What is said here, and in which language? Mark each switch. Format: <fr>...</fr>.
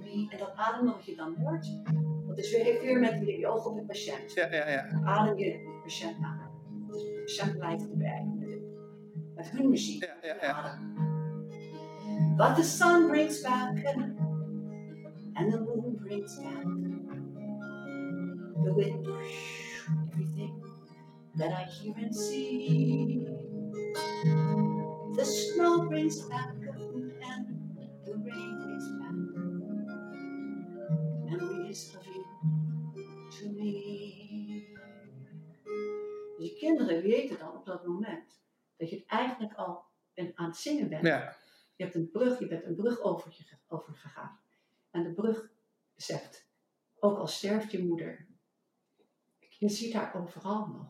<nl>En dat ademen wat je dan hoort, dat is weer even met je ogen op de patiënt. Ja. Adem je de patiënt aan. De patiënt blijft erbij. Met hun muziek. Ja.</nl> <en>But the sun brings back and the moon brings back the wind, everything that I hear and see. The snow brings back the moon and the rain brings back memories of you to me.</en> <nl>Je kinderen weten dan op dat moment dat je eigenlijk al aan het zingen bent. Ja. Je hebt een brug, je bent een brug overgegaan. En de brug zegt, ook al sterft je moeder, je ziet haar overal nog.</nl>